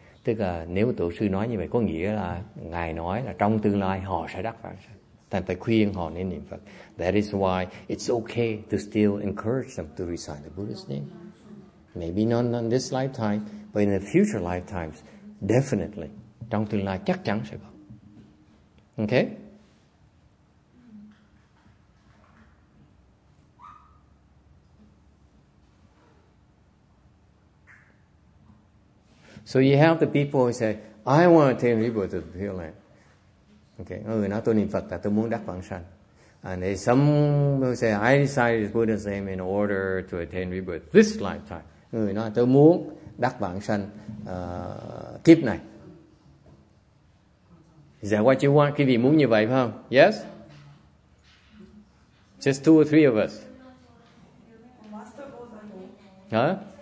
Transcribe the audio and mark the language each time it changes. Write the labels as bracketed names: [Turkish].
[Vietnamese] Tức là nếu tổ sư nói như vậy, có nghĩa là Ngài nói là trong tương lai họ sẽ đắc vãng sanh. Thành phải khuyên họ nên niệm Phật. [English] That is why it's okay to still encourage them to recite the Buddha's name. Maybe not in this lifetime, but in the future lifetimes, definitely. [Vietnamese] Trong tương lai chắc chắn sẽ có. [English] Okay? So you have the people who say, I want to attain rebirth to the Pure Land. [Vietnamese] Okay, người nói tôi niệm Phật là tôi muốn đắc vãng sanh. [English] And they some who say, I decided to put his name in order to attain rebirth this lifetime. [Vietnamese] Người nói tôi muốn đắc vãng sanh kiếp này. [English] Is that what you want? [Vietnamese] Quý vị muốn như vậy phải không? [English] Yes? Just two or three of us. Huh?